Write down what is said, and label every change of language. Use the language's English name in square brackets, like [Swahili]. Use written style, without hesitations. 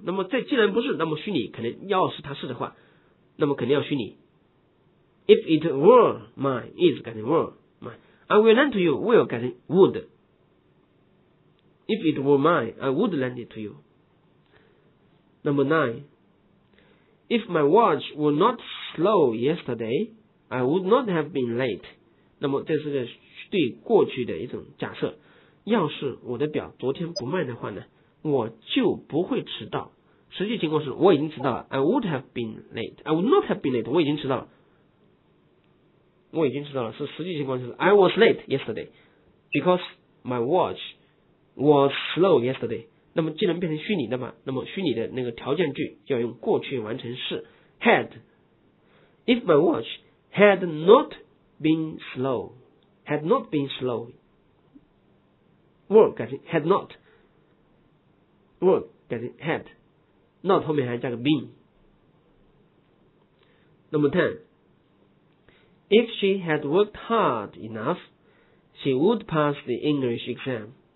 [Chinese] 那么这既然不是，那么虚拟肯定要是它是的话，那么肯定要虚拟。 [English] If it were mine， is [Chinese] 改成 [English] were mine， I will lend to you， will 改成 would。 If it were mine, I would lend it to you。 Number 9. If my watch were not slow yesterday, I would not have been late. [Chinese] 那么这是个对过去的一种假设。要是我的表昨天不慢的话呢，我就不会迟到。实际情况是我已经迟到了。 [English] I would not have been late. [Chinese] 我已经迟到了。我已经迟到了。是实际情况就是 [English] I was late yesterday. Because my watch was slow yesterday. [Chinese] 那么既然变成虚拟的嘛，那么虚拟的那个条件句就要用过去完成式 had. [English] If my watch had not been slow, had not been slow, work 改成 had not, work 改成 had, not [Chinese] 后面还加个 [English] been. Number 10. If she had worked hard enough, she would pass the English exam.